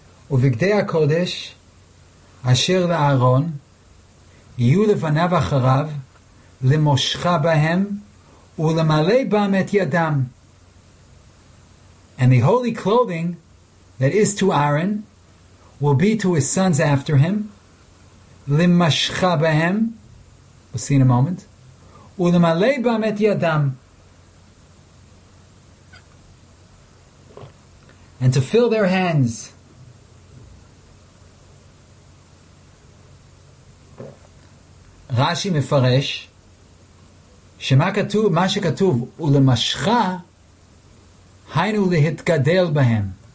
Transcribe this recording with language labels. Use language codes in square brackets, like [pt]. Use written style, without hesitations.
[he] ובגדי הקודש, אשר לארון, יהיו לבניו אחריו, למושכה בהם, ולמלא בם את ידם. [en] And the holy clothing that is to Aaron will be to his sons after him, [he] למשכה בהם, [en] we'll see in a moment, [he] ולמלא בהם את ידם, [en] and to fill their hands. [he] רש"י מפרש שמה כתוב, מה שכתוב ולמשכה, היינו להתגדל בהם.